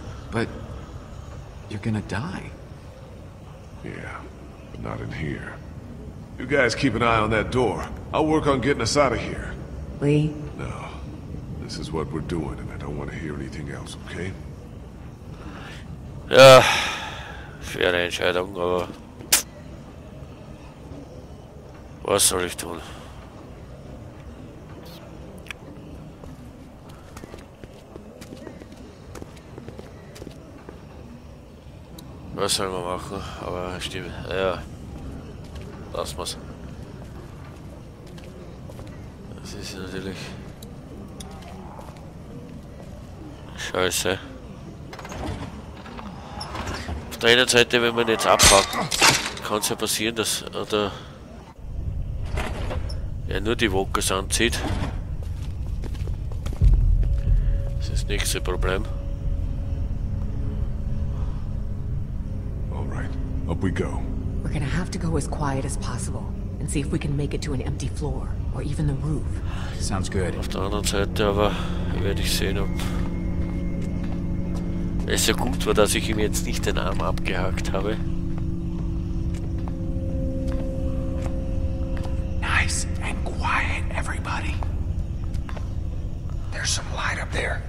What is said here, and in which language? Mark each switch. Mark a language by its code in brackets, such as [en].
[en] But you're gonna die. Yeah, but not in here. You guys keep an eye on that door. I'll work on getting us out of here. Lee? No. This is what we're doing, and I don't want to hear anything else, okay? [de] Ja, faire Entscheidung, aber was soll ich tun? Was sollen wir machen? Aber stimmt. Ja. Lass mal's. Das ist natürlich Scheiße. Auf der einen Seite, wenn wir ihn jetzt abpacken, kann es ja passieren, dass er ja nur die Vocals anzieht. Das ist nicht so ein Problem. [en] Up we go. We're gonna have to go as quiet as possible and see if we can make it to an empty floor or even the roof. Sounds good. [de] Auf der anderen Seite aber werde ich sehen, ob es so gut war, dass ich ihm jetzt nicht den Arm abgehackt habe. [en] Nice and quiet, everybody. There's some light up there.